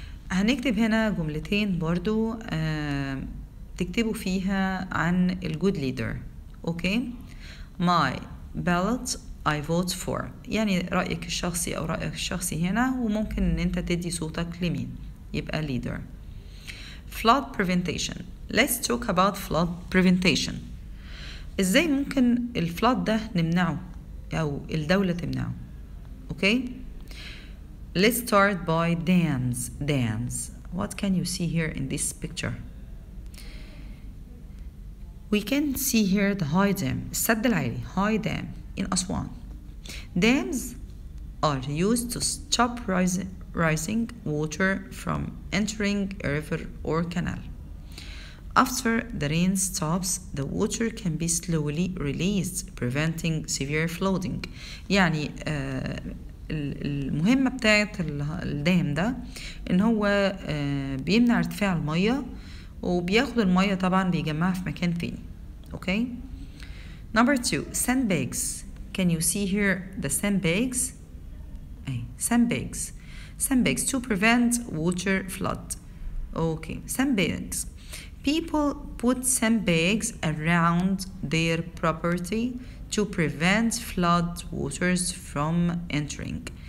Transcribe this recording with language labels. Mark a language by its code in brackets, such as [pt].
[ar] هنكتب هنا جملتين برضو تكتبوا فيها عن الجود ليدر. [en] Okay, my ballot I vote for. [ar] يعني رأيك الشخصي أو رأيك الشخصي هنا وممكن إن أنت تدي صوتك لمين يبقى leader. [en] Flood prevention. Let's talk about flood prevention. [ar] إزاي ممكن الفلود ده نمنعه أو الدولة تمنعه. Okay. [en] Let's start by dams. Dams. What can you see here in this picture? We can see here the high dam. [ar] السد العالي. [en] High dam. In Aswan, dams are used to stop rising water from entering a river or canal. After the rain stops, the water can be slowly released, preventing severe flooding. [ar] يعني المهمة بتاعت الدام ده ان هو بيمنع ارتفاع المية وبياخد المية طبعا بيجمعها في مكان ثاني. [en] okay? Number two, sandbags. Can you see here the sandbags? Hey, sandbags. Sandbags to prevent water flood. Okay, sandbags. People put sandbags around their property to prevent flood waters from entering.